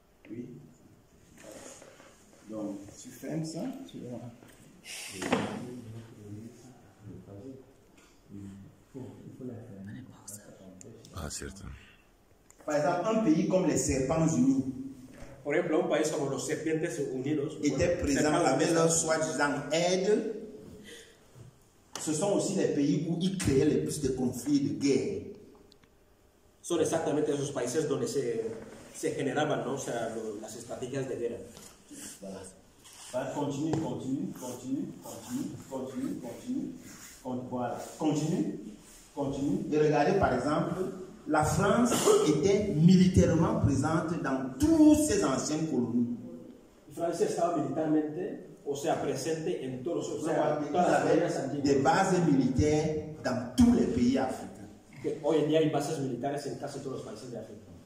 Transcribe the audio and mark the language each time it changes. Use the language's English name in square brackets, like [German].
[French] Oui. Donc, tu fermes ça. Tu vois. Ah, certes. Par exemple, un pays comme les Serpents Unis. [Spanish] Por ejemplo, un país como los Serpientes Unidos. [French] Étaient présents avec leur soi-disant aide. Ce sont aussi les pays où ils créaient les plus de conflits et de guerres. [Spanish] Son exactement esos países donde se generaban, ¿no? O sea, las estrategias de guerra. [French] Continue. Et regardez par exemple. La France était militairement présente dans toutes ses anciennes colonies. France était militairement, [Spanish] o sea, [French] présente [Spanish] en todos los [French] pays. Des bases militaires dans tous les pays africains. [Spanish] Hoy en día hay bases militares en casi todos los países de África.